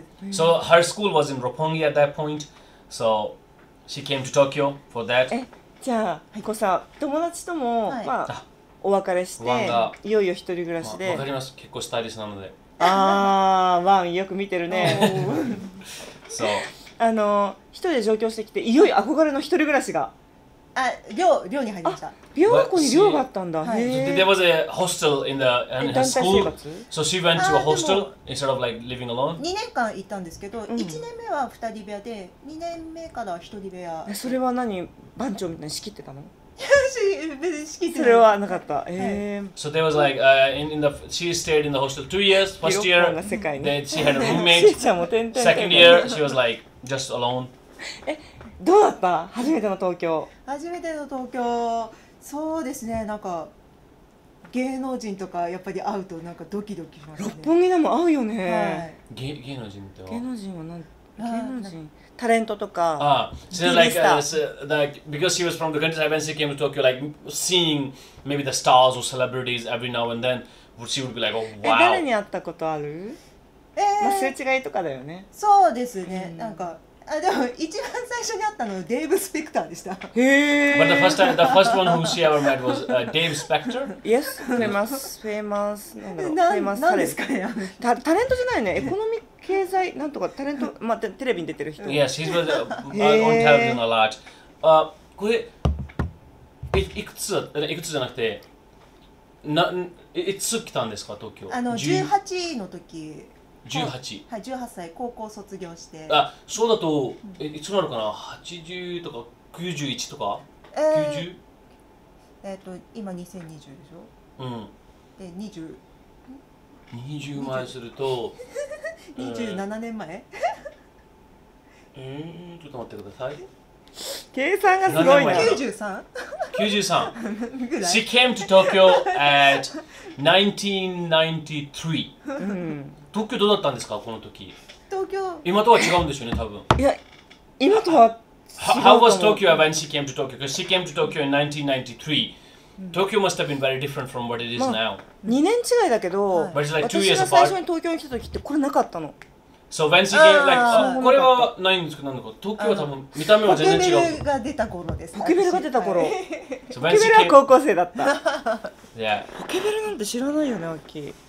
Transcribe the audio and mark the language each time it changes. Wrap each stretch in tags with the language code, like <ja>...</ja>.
<en>So her school was in Roppongi at that point. So she came to Tokyo for that.</en> <ja>じゃあ、はい、こさ、友達とも、はい、まあ、お別れして、いよいよ一人暮らしで。わかります。結構スタイリッシュなので。ああ、ワンよく見てるね。そう。あの、一人で上京してきて、いよいよ憧れの一人暮らしが。寮に入りました。美容学校に寮があったんだ。</ja> <en>はい、There was a hostel in her school. So she went to a hostel instead of like living alone.</en> <ja>2年間行ったんですけど、うん、1年目は2人部屋で、2年目からは1人部屋。それは何、番長みたいに仕切ってたの？別に仕切ってない。それはなかった。</ja> <en>So there was like, she stayed in the hostel 2 years. First year, then she had a roommate. Second year, she was like, just alone.</en> <ja>どうだった？初めての東京。初めての東京。そうですね、なんか芸能人とかやっぱり会うとなんかドキドキしますね。六本木でも会うよね、はい、芸能人とは芸能人は何、芸能人タレントとか、</ja> <en>ビジネスター、because he was from the country, when she came to Tokyo, like seeing maybe the stars or celebrities every now and then, she would be like, oh, wow.</en> <ja>誰に会ったことある？まあ、すれ違いとかだよね。そうですね、うん、なんかあでも一番最初に会ったのはデイブ・スペクターでした。へえ。</ja> <en>But the first time, the first one who she ever met was Dave Spector. Yes, famous, famous,</en> <ja>なんだろう、famous タレント。タレントじゃないね、エコノミック経済なんとかタレント、まあ、テレビに出てる人。</ja> <en>Yes, he's with, on television a lot.</en> <ja>これいくつじゃなくて、いつ来たんですか東京？あの18の時。 18、はい、18歳、高校卒業して。あ、そうだと、いつなのかな、80とか91とか、 90？ 今2020でしょ、うん、で、 20前すると 27年前。ちょっと待ってください、計算がすごいな。 93</ja> <en>93 She came to Tokyo at 1993。</en> <ja>東京どうだったんですか、この時。東京今とは違うんですよね、多分。いや、今とは違うかも。</ja> <en>How was Tokyo when she came to Tokyo? Because she came to Tokyo in 1993. Tokyo must have been very different from what it is now.</en> <ja>2年違いだけど、はい、私が最初に東京に来た時ってこれなかったの。</ja> <en>So when she came, like,</en> <ja>これはないんですか、なんだか。東京は多分見た目は全然違う。ポケベルが出た頃です。ポケベルが出た頃。ポケベルは高校生だった。</ja> <en>Yeah.</en> <ja>ポケベルなんて知らないよね、アッキー。</ja>